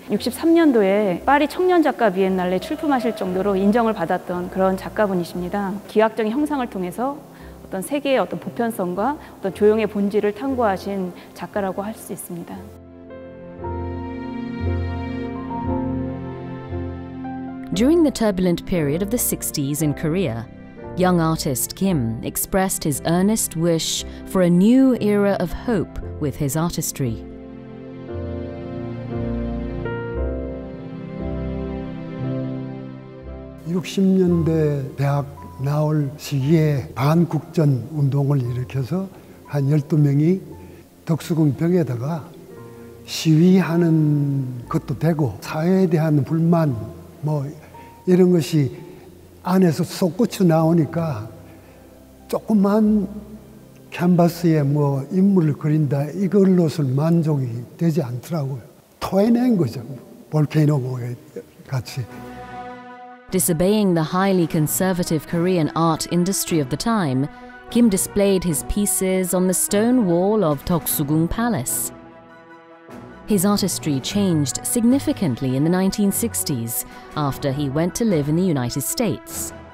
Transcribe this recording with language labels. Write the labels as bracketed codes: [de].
[ko] 63년도에 파리 청년 작가 비엔날레 출품하실 정도로 인정을 받았던 그런 작가분이십니다. 기하학적인 형상을 통해서 어떤 세계의 어떤 보편성과 어떤 조형의 본질을 탐구하신 작가라고 할 수 있습니다. [en] During the turbulent period of the 60s in Korea, young artist Kim expressed his earnest wish for a new era of hope with his artistry. [ko] '60년대 대학 나올 시기에 반국전 운동을 일으켜서 한 12명이 덕수궁벽에다가 시위하는 것도 되고 사회에 대한 불만 뭐 이런 것이 안에서 솟구쳐 나오니까 조그만 캔버스에 뭐 인물을 그린다 이걸로서 만족이 되지 않더라고요. 토해낸 거죠. 볼케이노 고개 같이. [en] Disobeying the highly conservative Korean art industry of the time, Kim displayed his pieces on the stone wall of Deoksugung Palace. His artistry changed significantly in the 1960s after he went to live in the United States.